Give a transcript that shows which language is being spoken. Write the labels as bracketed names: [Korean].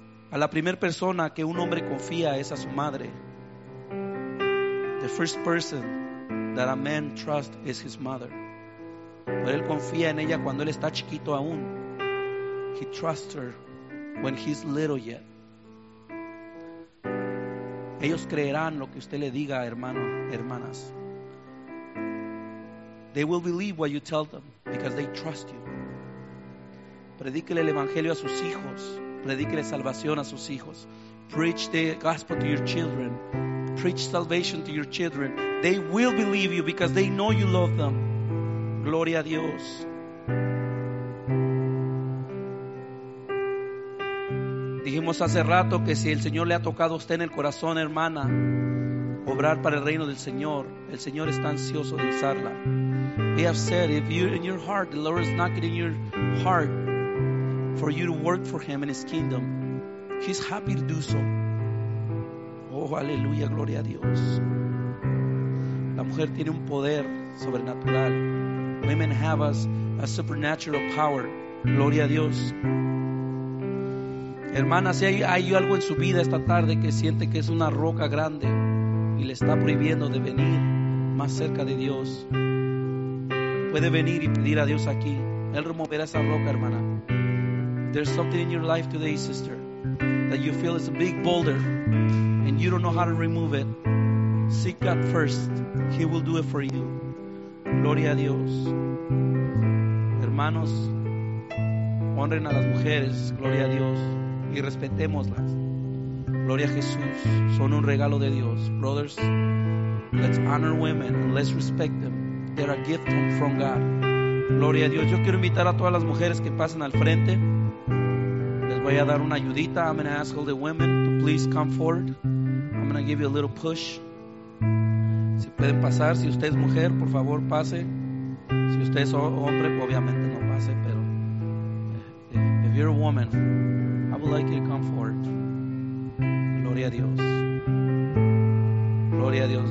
[Spanish] A la primera persona que un hombre confía es a su madre. [English] The first person that a man trusts is his mother. [Spanish] Pero él confía en ella cuando él está chiquito aún. [English] He trusts her when he's little yet. [Spanish] Ellos creerán lo que usted le diga, hermano, hermanas. [English] They will believe what you tell them because they trust you. [Spanish] Predíquele el evangelio a sus hijos. Predíquele salvación a sus hijos. [English] Preach the gospel to your children. Preach salvation to your children. They will believe you because they know you love them. [Spanish] Gloria a Dios. Dijimos hace rato que si el Señor le ha tocado a usted en el corazón, hermana, obrar para el reino del Señor, el Señor está ansioso de usarla. [English] We have said, if you're in your heart, the Lord is knocking in your heart for you to work for Him and His kingdom, He's happy to do so. [Spanish] Oh, aleluya, gloria a Dios. La mujer tiene un poder sobrenatural. [English] Women have a supernatural power. [Spanish] Gloria a Dios. Hermana, si hay algo en su vida esta tarde que siente que es una roca grande y le está prohibiendo de venir más cerca de Dios, puede venir y pedir a Dios aquí. Él removerá esa roca, hermana. [English] There's something in your life today, sister, that you feel is a big boulder and you don't know how to remove it. Seek God first. He will do it for you. [Spanish] Gloria a Dios. Hermanos, honren a las mujeres. Gloria a Dios. Y respetémoslas. Gloria a Jesús. Son un regalo de Dios. [English] Brothers, let's honor women and let's respect them. They're a gift from God. [Spanish] Gloria a Dios. Yo quiero invitar a todas las mujeres que pasen al frente. Voy a dar una ayudita. [English] I'm going to ask all the women to please come forward. I'm going to give you a little push. [Spanish] Si pueden pasar, si usted es mujer, por favor, pase. Si usted es hombre, obviamente no pase, pero [English] if you're a woman, I would like you to come forward. [Spanish] Gloria a Dios. Gloria a Dios.